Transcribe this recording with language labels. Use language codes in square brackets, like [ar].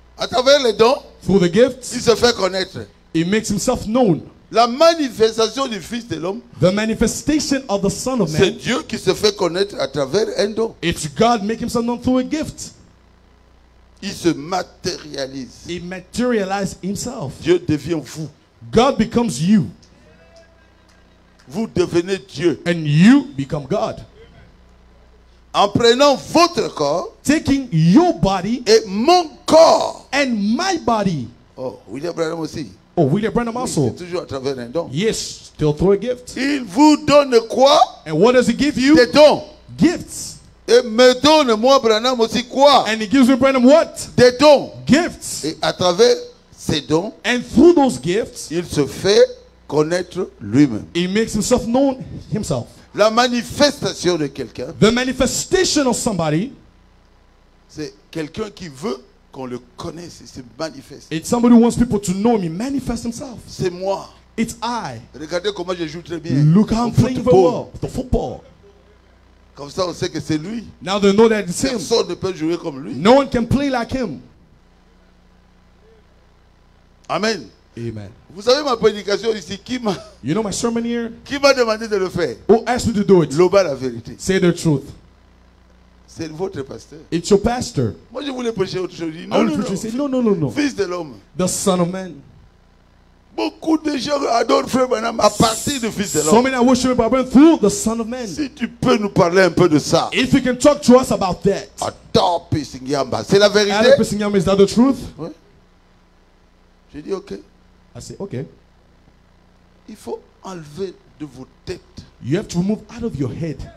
[fr] travers les dons, [en] through the gifts, [fr] il se fait connaître. [en] He makes himself known. [fr] La manifestation du Fils de l'homme, [en] the manifestation of the Son of Man, [fr] c'est Dieu qui se fait connaître à travers un don. [en] It's God making himself known through a gift. [fr] Il se matérialise. [en] He materializes himself. [fr] Dieu devient vous. [en] God becomes you. [fr] Vous devenez Dieu. [en] And you become God. [fr] En prenant votre corps, [en] taking your body, [fr] et mon corps, [en] and my body. [fr] Oh, William Branham aussi. [en] Oh, William Branham also. [fr] Oui, c'est toujours à travers un don. [en] Yes, still through a gift. [fr] Il vous donne quoi? [en] And what does he give you? [fr] Des dons. [en] Gifts. [fr] Et me donne moi Branham aussi quoi? [en] And he gives me Branham what? [fr] Des dons. [en] Gifts. [fr] Et à travers ces dons, [en] and through those gifts, [fr] il se fait connaître lui-même. [en] He makes himself known himself. [fr] La manifestation de quelqu'un, [en] the manifestation of somebody, [fr] c'est quelqu'un qui veut qu'on le connaisse et se manifeste. [en] It's somebody who wants people to know him, he manifests himself. [fr] C'est moi. [en] It's I. [fr] Regardez comment je joue très bien. [en] Look how I'm playing very well. The football. [fr] Comme ça, on sait que c'est lui. [en] Now they know that it's [fr] personne [en] him. [fr] Personne ne peut jouer comme lui. [en] No one can play like him. [fr] Amen. [en] Amen. [fr] Vous savez ma prédication ici, qui m'a, [en] you know my sermon here? [fr] Qui m'a demandé de le faire? [en] Who asked me to do it? [fr] L'oba la vérité. [en] Say the truth. [fr] C'est votre pasteur. [en] It's your pastor. [fr] Moi je voulais prêcher autre chose. [en] No. [fr] Fils de l'homme. [en] The Son of Man. [fr] Beaucoup de gens adorent Frère Branham à partir du Fils de l'homme. [en] So many are worshiping Brother Branham through the Son of Man. [fr] Si tu peux nous parler un peu de ça. [en] If you can talk to us about that. [fr] Adopi Singyamba. C'est la vérité. [en] Adopi Singyamba, is that the truth? [fr] Oui. J'ai dit ok. [en] I say, okay. [fr] Il faut enlever de vos têtes. [en] You have to remove out of your head.